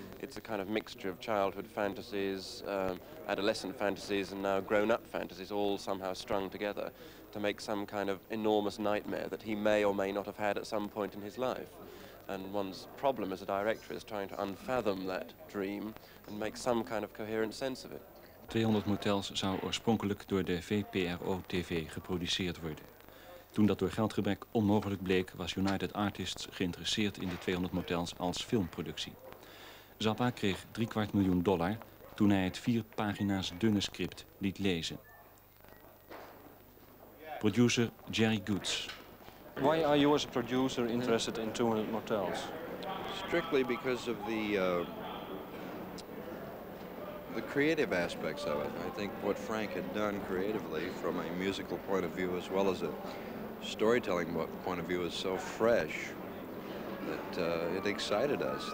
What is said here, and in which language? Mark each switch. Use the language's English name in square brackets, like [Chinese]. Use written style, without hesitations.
[English] It's a kind of mixture of childhood fantasies, adolescent fantasies, and now grown-up fantasies all somehow strung together to make some kind of enormous nightmare that he may or may not have had at some point in his life. And one's problem as a director is trying to unfathom that dream and make some kind of coherent sense of it. [Dutch] 200 Motels zou oorspronkelijk door de VPRO-TV geproduceerd worden. Toen dat door geldgebrek onmogelijk bleek, was United Artists geïnteresseerd in de 200 Motels als filmproductie. Zappa kreeg $750.000 toen hij het 4 pagina's dunne script liet lezen. [English] Producer Jerry Goetz. Why are you as a producer interested in 200 Motels? Strictly because of the creative aspects of it. I think what Frank had done creatively from a musical point of view as well as a storytelling point of view is so fresh that it excited us.